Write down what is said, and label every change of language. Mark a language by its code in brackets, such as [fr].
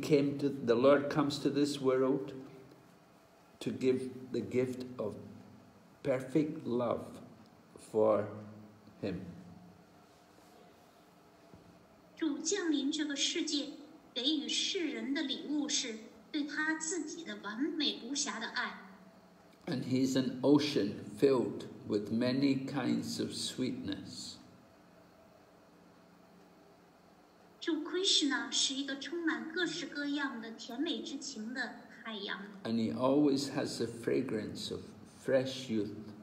[en] came to the Lord comes to this world to give the gift of perfect love for him. [zh] 主降临这个世界，给予世人的礼物是对他自己的完美无瑕的爱。 [en] And he's an ocean filled with many kinds of sweetness. [zh] 主 Krishna 是一个充满各式各样的甜美之情的海洋。 [en] And he always has the fragrance of fresh youth.